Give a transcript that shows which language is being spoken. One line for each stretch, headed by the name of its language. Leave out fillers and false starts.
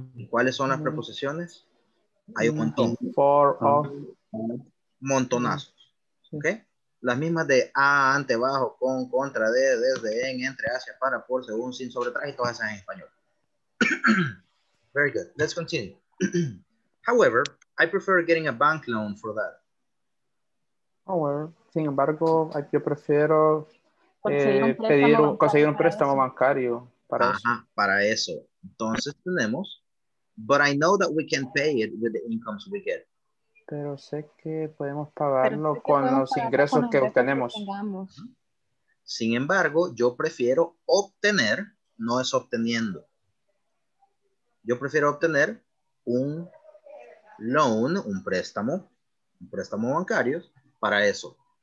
Spanish: ¿Cuáles son las preposiciones? Hay un montón.
English: For, of.
Spanish: Montonazos. Sí. ¿Ok? Las mismas de a, ante, bajo, con, contra, de, desde, en, entre, hacia, para, por, según, sin, sobre, tras y todas esas en español.
English: Very good. Let's continue. However, I prefer getting a bank loan for that.
Spanish: However, sin embargo, yo prefiero conseguir un préstamo bancario para eso. Para eso. Entonces tenemos,
English: but I know that we can pay it with the incomes we get.
Spanish: Pero sé que podemos pagarlo con los ingresos que obtenemos. Sin embargo, yo prefiero obtener, no es obteniendo. Yo prefiero obtener un loan, un préstamo bancario para eso.